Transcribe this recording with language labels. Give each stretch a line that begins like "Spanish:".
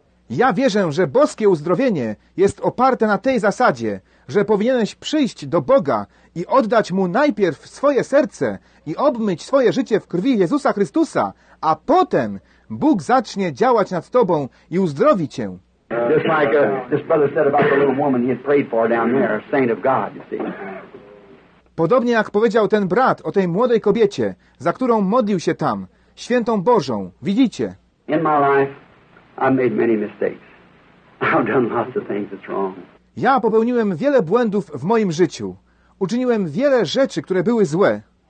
Polish: Ja wierzę, że boskie uzdrowienie jest oparte na tej zasadzie, że powinieneś przyjść do Boga i oddać Mu najpierw swoje serce i obmyć swoje życie w krwi Jezusa Chrystusa, a potem Bóg zacznie działać nad tobą i uzdrowi cię.
English: Just like this brother said about the little woman he had prayed for down there, a saint of God, you see.
Polish: Podobnie jak powiedział ten brat o tej młodej kobiecie, za którą modlił się tam, świętą Bożą, widzicie?
English: In my life, I've made many mistakes. I've done lots of things that's wrong.
Polish: Ja popełniłem wiele błędów w moim życiu. Uczyniłem wiele rzeczy, które były złe.